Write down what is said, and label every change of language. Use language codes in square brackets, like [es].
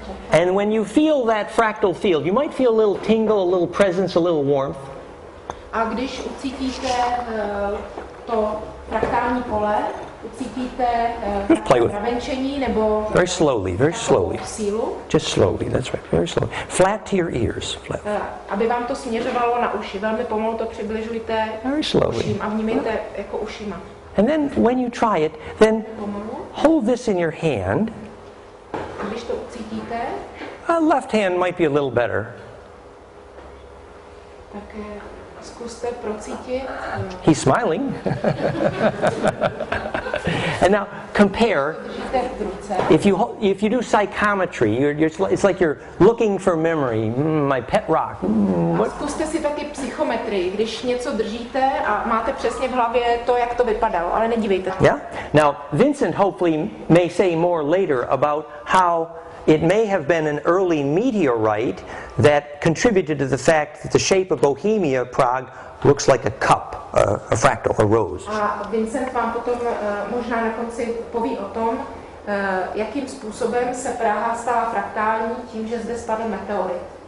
[en] And when you feel that fractal field, you might feel a little tingle, a little presence, a little warmth. [cs] A když ucítíte to fraktální pole, ucítíte pravenčení nebo... [en] Very slowly, very slowly. Just slowly, that's right, very slowly. Flat to your ears. Flat. [cs] Aby vám to směřovalo na uši, velmi pomalu to přibližujte uším a vnímejte jako ušima. [en] And then when you try it, then hold this in your hand. [cs] Když to ucítíte... [en] A left hand might be a little better. [cs] Tak zkuste procítit... [en] He's smiling. And now compare. If you do psychometry, it's like you're looking for memory. My pet rock. [cs] A zkuste si taky psychometrii, když něco držíte a máte přesně v hlavě to, jak to vypadalo, ale nedívejte se. [en] Yeah. Now Vincent hopefully may say more later about how it may have been an early meteorite that contributed to the fact that the shape of Bohemia, Prague, looks like a cup, a fractal, a rose. [cs] A Vincent vám potom možná na konci poví o tom, jakým způsobem se Praha stala fraktální tím, že zde spadl meteorit.